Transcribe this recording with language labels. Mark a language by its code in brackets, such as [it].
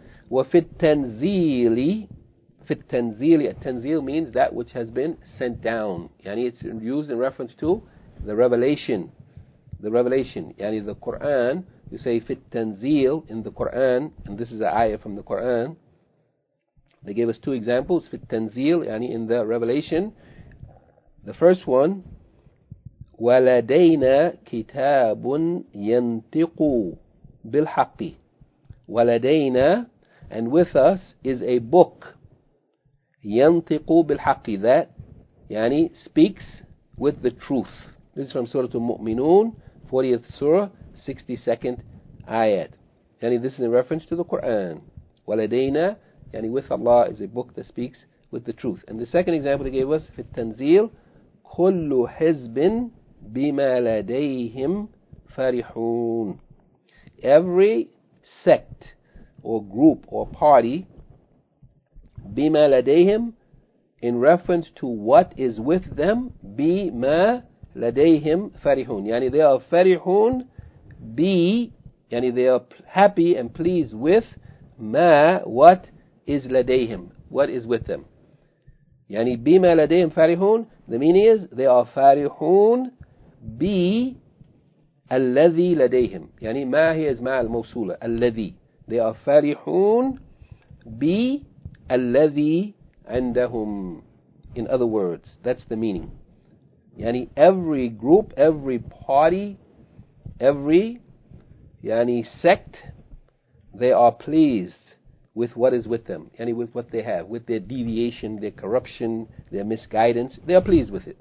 [en] وفي التنزيل, التنزيل means that which has been sent down. يعني it's used in reference to the revelation. The revelation, يعني the Quran. You say في التنزيل in the Quran, and this is an ayah from the Quran. They gave us two examples. في التنزيل, يعني in the revelation. The first one, [ar] ولدينا كتاب ينطق بالحق. [en] ولدينا, and with us is a book. ينطق بالحق, that يعني speaks with the truth. This is from Surah Al-Mu'minun, 40th Surah, 62nd Ayat. يعني this is in reference to the Quran. ولدينا, يعني with Allah, is a book that speaks with the truth. And the second example he gave us, في التنزيل, [ar] كل حزب بما لديهم فرحون. [en] Every sect or group or party, بما لديهم, in reference to what is with them, [ar] بما لديهم فرحون. [en] يعني they are فرحون ب, يعني they are happy and pleased with ما, what is لديهم, what is with them. [ar] يعني بما لديهم فرحون, [en] the meaning is they are [ar] فرحون ب الذي لديهم. يعني ما هي اسماء الموصولة, الذي. [en] They are [ar] فرحون ب الذي عندهم. [en] In other words, that's the meaning. يعني every group, every party, every يعني sect, they are pleased with what is with them, yani with what they have, with their deviation, their corruption, their misguidance. They are pleased with it.